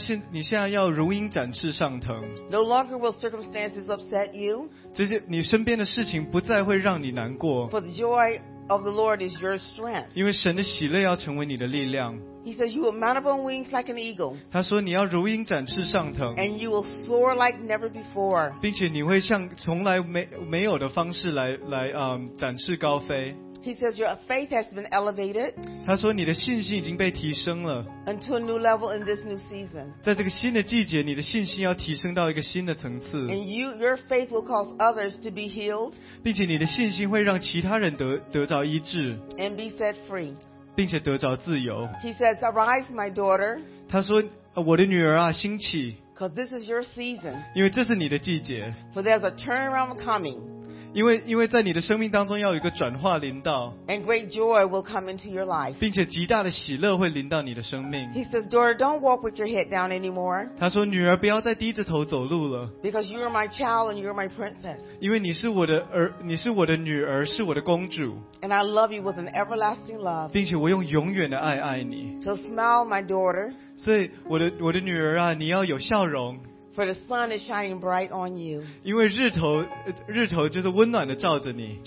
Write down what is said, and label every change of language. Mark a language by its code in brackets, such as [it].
[zh] 你现在要如鹰展翅上腾 [en] No longer will circumstances Circumstances upset you. [zh] 这些你身边的事情不再会让你难过。 [en] For the joy of the Lord is your strength. [zh] 因为神的喜乐要成为你的力量。 [en] He says you will mount up on wings like an eagle. [zh] 他说你要如鹰展翅上腾。 [en] And you will soar like never before. [zh] 并且你会像从来没有的方式来展翅高飞。 [en] He says your faith has been elevated. [zh] 他说你的信心已经被提升了。 [en] Unto a new level in this new season. [zh] 在这个新的季节，你的信心要提升到一个新的层次。 [en] And your faith will cause others to be healed. [zh] 并且你的信心会让其他人得着医治。 [en] And be set free. [zh] 并且得着自由。 [en] He says, "Arise, my daughter." [zh] 他说，我的女儿啊，兴起。 [en] Because this is your season. [zh] 因为这是你的季节。 [en] For there's a turnaround coming. [zh] 因为在你的生命当中要有一个转化临到 [en] And great joy will come into your life. [zh] 并且极大的喜乐会临到你的生命 [en] He says, daughter, don't walk with your head down anymore. [zh] 他说女儿不要再低着头走路了 [en] Because you are my child and you are my princess. [zh] 因为你是我的女儿是我的公主 [en] And I love you with an everlasting love. [zh] 并且我用永远的爱爱你 [en] So smile, my daughter. [zh] 所以我的女儿啊你要有笑容 [en] For the sun is shining bright on you. [zh] 因为日头就是温暖的照着你。